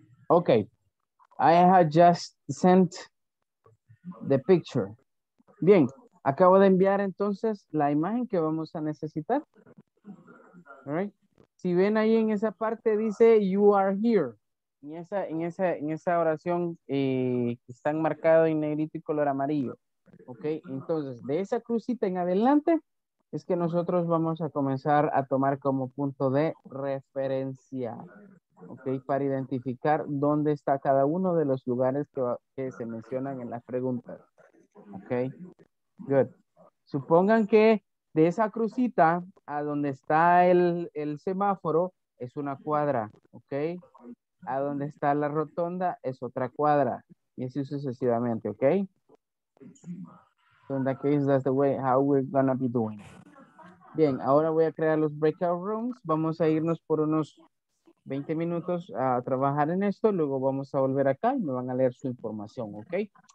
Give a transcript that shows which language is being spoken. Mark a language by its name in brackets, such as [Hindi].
[English] Okay, I have just sent the picture. [Spanish] Bien, Acabo de enviar entonces la imagen que vamos a necesitar. [English] All right. [Spanish] Si ven ahí en esa parte dice [English] you are here. [Spanish] En esa oración que están marcado en negrito y color amarillo. Ok, entonces de esa crucita en adelante es que nosotros vamos a comenzar a tomar como punto de referencia. Ok, para identificar dónde está cada uno de los lugares que se mencionan en las preguntas. [English] Ok, good. [Spanish] Supongan que de esa crucita a donde está el semáforo es una cuadra. Ok, a donde está la rotonda es otra cuadra. Y así sucesivamente, ok. [English] So in that case, that's the way how we're gonna be doing. [Spanish] Bien, ahora voy a crear los breakout rooms. Vamos a irnos por unos 20 minutos a trabajar en esto. Luego vamos a volver acá y me van a leer su información, ¿ok?